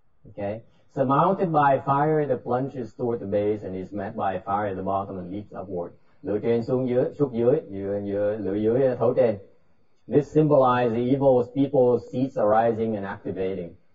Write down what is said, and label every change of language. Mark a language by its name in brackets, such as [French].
[English] Okay, surmounted by fire that plunges toward the base and is met by fire at the bottom and leaps upward. [Vietnamese] Lửa trên xuống dưới, xuống dưới, lửa dưới thấu trên. [English] This symbolizes the evil people's seeds arising and activating.